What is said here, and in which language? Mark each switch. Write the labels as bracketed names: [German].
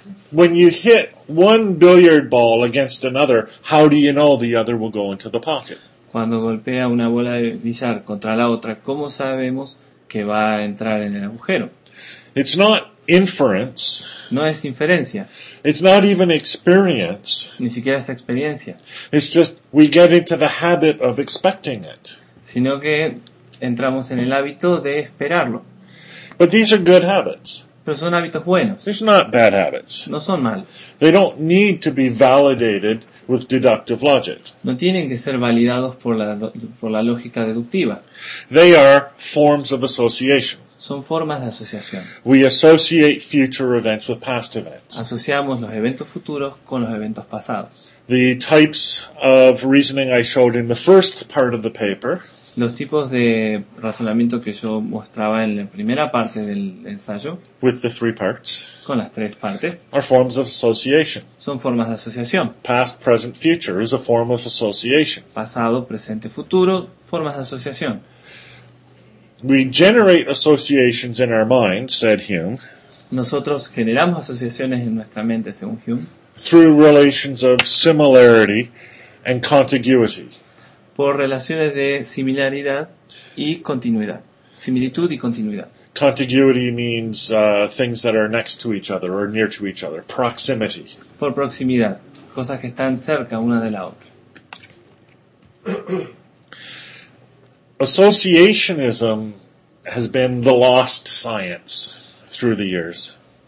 [English] When you hit one billiard ball against another, how do you know the other will go into the pocket? [Spanish] Cuando golpea una bola de billar contra la otra, ¿cómo sabemos que va a entrar en el agujero? [English] It's not inference. [Spanish] No es inferencia. [English] It's not even experience. [Spanish] Ni siquiera es experiencia. [English] It's just we get into the habit of expecting it. [Spanish] Sino que entramos en el hábito de esperarlo. [English] But these are good habits. [Spanish] Pero son hábitos buenos. [English] These are not bad habits. [Spanish] No son malos. [English] They don't need to be validated with deductive logic. [Spanish] No tienen que ser validados por la lógica deductiva. [English] They are forms of association. [Spanish] Son formas de asociación. [English] We associate future events with past events. [Spanish] Asociamos los eventos futuros con los eventos pasados. [English] The types of reasoning I showed in the first part of the paper. [Spanish] Los tipos de razonamiento que yo mostraba en la primera parte del ensayo. [English] With the three parts. [Spanish] Con las tres partes. [English] Are forms of association. [Spanish] Son formas de asociación. [English] Past, present, future is a form of association. [Spanish] Pasado, presente, futuro, formas de asociación. [English] We generate associations in our mind, said Hume. [Spanish] Nosotros generamos asociaciones en nuestra mente, según Hume. [English] Through relations of similarity and contiguity. [Spanish] Por relaciones de similaridad y continuidad. Similitud y continuidad. [English] Contiguity means things that are next to each other or near to each other. Proximity. [Spanish] Por proximidad. Cosas que están cerca una de la otra. [English] Associationism has been the lost science through the years.